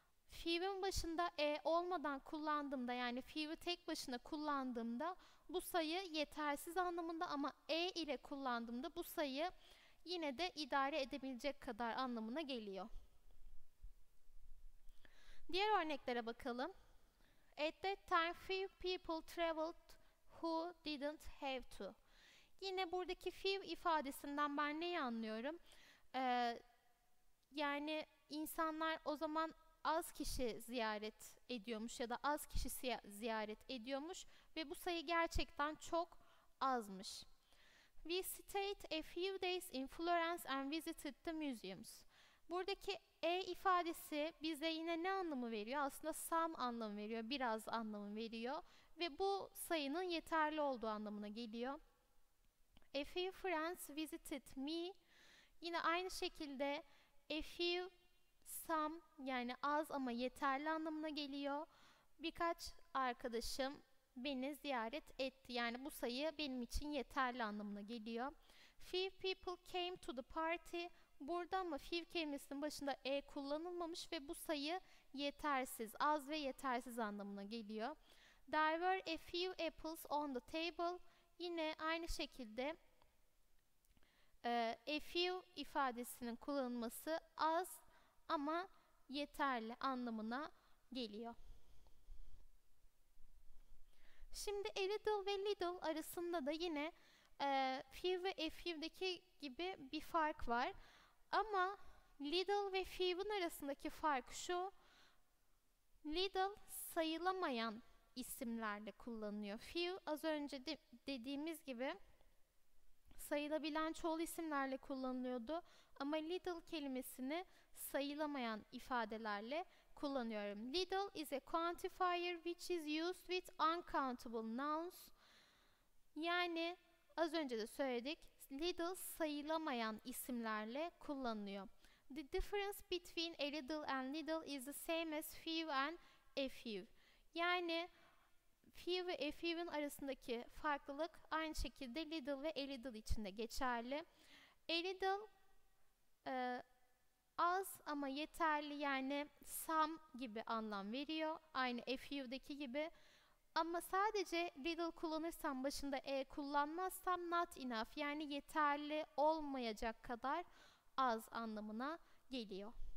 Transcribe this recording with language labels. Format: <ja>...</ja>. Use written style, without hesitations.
<tr>Few'ün başında e olmadan kullandığımda, yani few'ü tek başına kullandığımda bu sayı yetersiz anlamında, ama e ile kullandığımda bu sayı yine de idare edebilecek kadar anlamına geliyor. Diğer örneklere bakalım.</tr> <en>At that time few people traveled who didn't have to.</en> <tr>Yine buradaki few ifadesinden ben neyi anlıyorum? Yani insanlar o zaman az kişi ziyaret ediyormuş ya da az kişi ziyaret ediyormuş ve bu sayı gerçekten çok azmış.</tr> <en>We stayed a few days in Florence and visited the museums.</en> <tr>Buradaki e ifadesi bize yine ne anlamı veriyor? Aslında some anlamı veriyor, biraz anlamı veriyor ve bu sayının yeterli olduğu anlamına geliyor.</tr> <en>A few friends visited me.</en> <tr>Yine aynı şekilde a few some yani az ama yeterli anlamına geliyor. Birkaç arkadaşım beni ziyaret etti. Yani bu sayı benim için yeterli anlamına geliyor.</tr> <en>Few people came to the party.</en> <tr>Burada ama few kelimesinin başında e kullanılmamış ve bu sayı yetersiz, az ve yetersiz anlamına geliyor.</tr> <en>There were a few apples on the table.</en> <tr>Yine aynı şekilde a few ifadesinin kullanılması az ama yeterli anlamına geliyor. Şimdi a little ve little arasında da yine few ve a few'deki gibi bir fark var. Ama little ve few'un arasındaki fark şu. Little sayılamayan isimlerle kullanılıyor. Few az önce dediğimiz gibi sayılabilen çoğul isimlerle kullanılıyordu. Ama little kelimesini sayılamayan ifadelerle kullanıyorum.</tr> <en>Little is a quantifier which is used with uncountable nouns.</en> <tr>Yani az önce de söyledik. Little sayılamayan isimlerle kullanılıyor.</tr> <en>The difference between a little and little is the same as few and a few.</en> <tr>Yani few ve a few'un arasındaki farklılık aynı şekilde little ve a little için de geçerli. A little az ama yeterli yani some gibi anlam veriyor. Aynı a few'deki gibi. Ama sadece little kullanırsam başında e kullanmazsam not enough yani yeterli olmayacak kadar az anlamına geliyor.</tr>